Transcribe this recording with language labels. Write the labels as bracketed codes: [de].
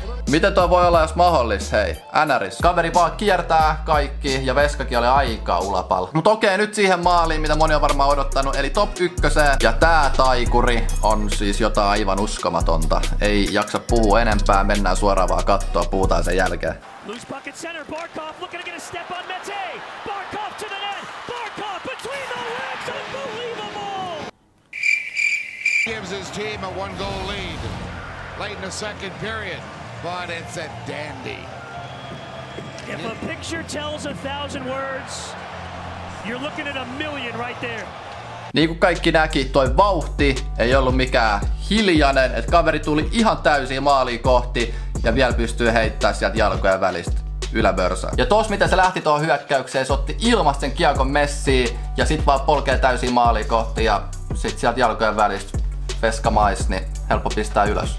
[fi] Miten toi voi olla jos mahdollista, hei, NRIs? Kaveri vaan kiertää kaikki ja veskakin oli aika ulapalla. Mut okei, nyt siihen maaliin, mitä moni on varmaan odottanut, eli top 1. Ja tää taikuri on siis jotain aivan uskomatonta. Ei jaksa puhua enempää, mennään suoraan vaan kattoa, puhutaan sen jälkeen. [en] Loose bucket center, Barkov looking to get a step on Mete. Barkov to the net, Barkov between the legs, unbelievable! Gives his team a one goal lead, late in the second period. But it's a dandy. If a picture tells 1,000 words, you're looking at a million right there. [fi] Niin kuin kaikki näki, toi vauhti ei ollut mikään hiljainen, että kaveri tuli ihan täysin maaliin kohti ja vielä pystyy heittämään sieltä jalkojen välistä yläbörsään. Ja tos mitä se lähti tuohon hyökkäykseen, se otti ilmasten kiekon Messiin ja sit vaan polkee täysin maaliin kohti ja sit sieltä jalkojen välistä Veska mais, niin helppo pistää ylös.